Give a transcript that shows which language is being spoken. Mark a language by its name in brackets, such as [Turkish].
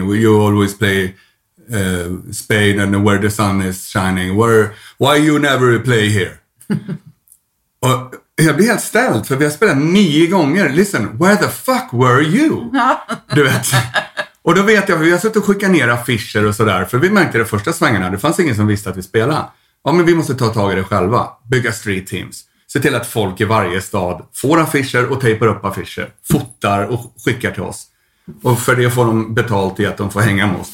[English] You always play Spain and where the sun is shining. Why you never play here? [Swedish] Och jag blir helt ställd, för vi har spelat 9 gånger. [English] Listen, where the fuck were you? [Swedish] Du vet. Och då vet jag, för vi har suttit och skickat ner affischer och sådär. För vi märkte det första svängarna. Det fanns ingen som visste att vi spelade. Ja, men vi måste ta tag i det själva. Bygga street teams. Se till att folk i varje stad får affischer och tejpar upp affischer. Fotar och skickar till oss. Och för det får de betalt i att de får hänga med oss.